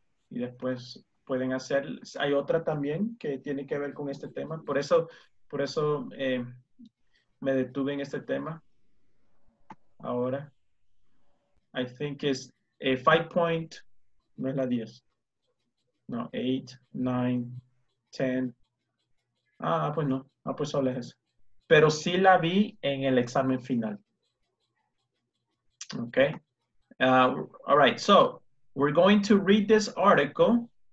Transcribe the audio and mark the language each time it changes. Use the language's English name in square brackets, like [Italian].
[Spanish] Y después pueden hacer, hay otra también que tiene que ver con este tema. Por eso me detuve en este tema. Ahora, [English] I think it's a 5 point, [Spanish] no es la 10. No, 8, 9, 10. Pues solo es eso. Pero sí la vi en el examen final. Ok. [English] All right, so we're going to read this article.